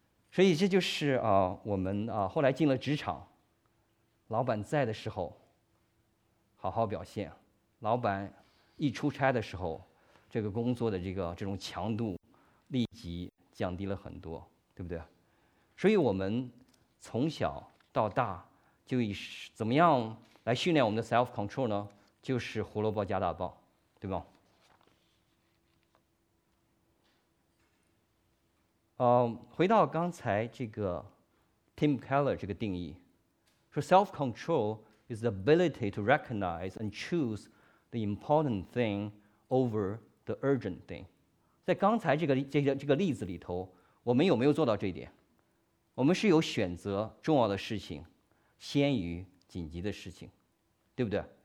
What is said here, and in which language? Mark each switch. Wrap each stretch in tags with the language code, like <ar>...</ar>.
<zh>所以这就是我们后来进了职场，老板在的时候好好表现，老板一出差的时候，这个工作的这种强度立即降低了很多，对不对？所以我们从小到大就以怎么样来训练我们的 self control 呢？就是胡萝卜加大棒，对吧？回到刚才这个 Tim Keller 这个定义，说</zh> <en>self control is the ability to recognize and choose the important thing over the urgent thing。</en> <zh>在刚才这个例子里头，我们有没有做到这一点？我们是有选择重要的事情先于紧急的事情，对不对？</zh>